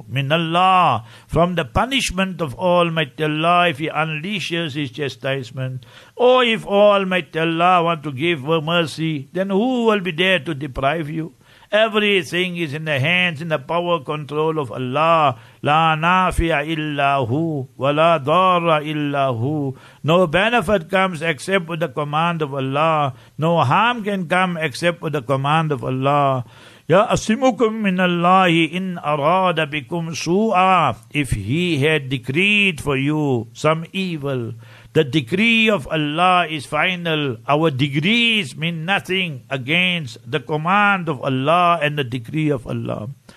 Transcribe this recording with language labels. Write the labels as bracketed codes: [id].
[ar] مِنَ اللَّهِ [en] From the punishment of Almighty Allah if He unleashes His chastisement. Or if Almighty Allah want to give mercy, then who will be there to deprive you? Everything is in the hands, in the power control of Allah. [ar] لا نافع إلا هو [en] ولا ضار إلا هو No benefit comes except with the command of Allah. No harm can come except with the command of Allah. [ar] يَأْسِمُكُمْ مِنَ اللَّهِ إِنْ أَرَادَ بِكُمْ سُوءًا [en] If He had decreed for you some evil. The decree of Allah is final. Our degrees mean nothing against the command of Allah and the decree of Allah.